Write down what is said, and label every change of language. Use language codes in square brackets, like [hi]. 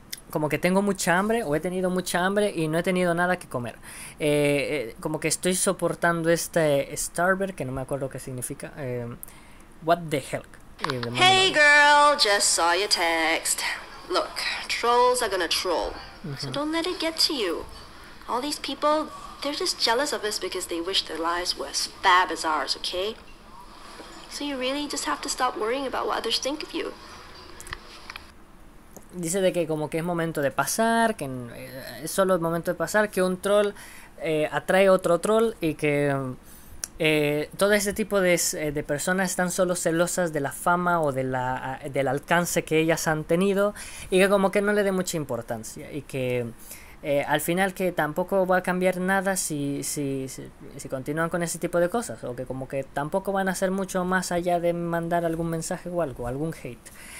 [es] Como que tengo mucha hambre, o he tenido mucha hambre y no he tenido nada que comer. Como que estoy soportando este Starver, que no me acuerdo qué significa. [en] What the hell. [es] Y le mando un [en] Hey [es] audio. [en] girl, just saw your text. Look, trolls are gonna troll, so don't let it get to you. All these people, they're just jealous of us because they wish their lives were as fab as ours, okay? So you really just have to stop worrying about what others think of you. [es] Dice de que como que es momento de pasar, que es solo el momento de pasar, que un troll atrae a otro troll y que todo ese tipo de personas están solo celosas de la fama o del alcance que ellas han tenido, y que como que no le dé mucha importancia, y que al final que tampoco va a cambiar nada si continúan con ese tipo de cosas, o que como que tampoco van a hacer mucho más allá de mandar algún mensaje o algo, algún hate.